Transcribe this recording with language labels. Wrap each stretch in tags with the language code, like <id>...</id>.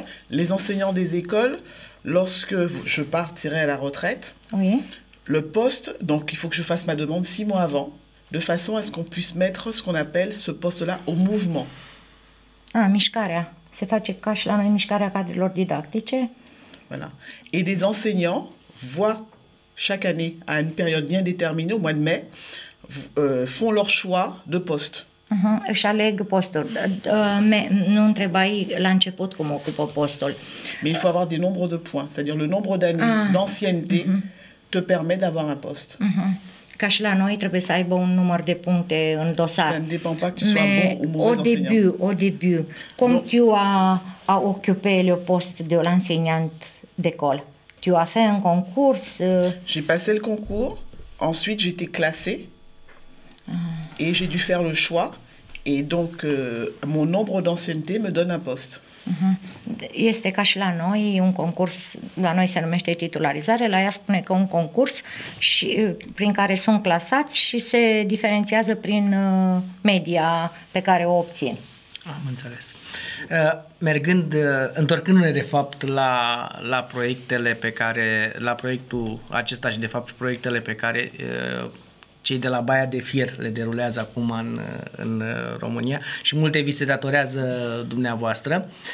<fr>Les enseignants des écoles, lorsque je partirai à la retraite, oui. Le poste, donc il faut que je fasse ma demande 6 mois avant, de façon à ce qu'on puisse mettre ce qu'on appelle ce poste-là au mouvement.</fr> <ro>Ah, mișcarea. Se face ca și la noi mișcarea cadrelor didactice.</ro> <fr>Voilà. Et des enseignants voient chaque année, à une période bien déterminée, au mois de mai, font leur choix de poste.</fr> <ro>Își aleg postul. Nu întrebai la început cum ocupă postul.</ro> <fr>Mais il faut avoir des nombres de points, c'est-à-dire le nombre d'années d'ancienneté te permet d'avoir un poste.</fr> <ro>Ca și la noi trebuie să aibă un număr de puncte în dosar.</ro> <fr>Ça ne dépend pas que tu sois bon ou mauvais enseignant. Au début,</fr> <ro>cum</ro> <fr>tu a occupé le poste de l'enseignant d'école? Tu as fait un concours? J'ai passé le concours, ensuite j'ai été classée et j'ai dû faire le choix et donc mon nombre d'ancienneté me donne un poste.</fr> <ro>Este ca și la noi un concurs, la noi se numește titularizare, la ea spune că un concurs și, prin care sunt clasați și se diferențiază prin media pe care o obțin. Am înțeles. Mergând, întorcându-ne de fapt la, la proiectele pe care, la proiectul acesta și de fapt proiectele pe care cei de la Baia de Fier le derulează acum în, în România și multe vi se datorează dumneavoastră.</ro>